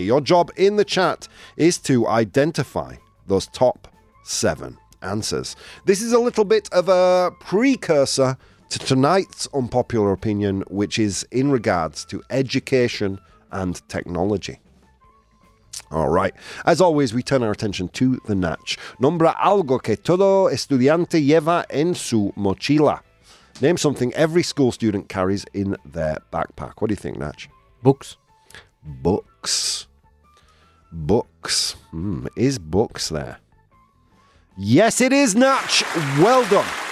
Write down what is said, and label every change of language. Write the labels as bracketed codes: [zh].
[en] Your job in the chat is to identify those top 7 answers. This is a little bit of a precursor to tonight's unpopular opinion, which is in regards to education and technology. All right. As always, we turn our attention to the Natch. [es] Nombra algo que todo estudiante lleva en su mochila. [en] Name something every school student carries in their backpack. What do you think, Natch? Books. Books. Books. Is books there? Yes, it is, Natch. Well done.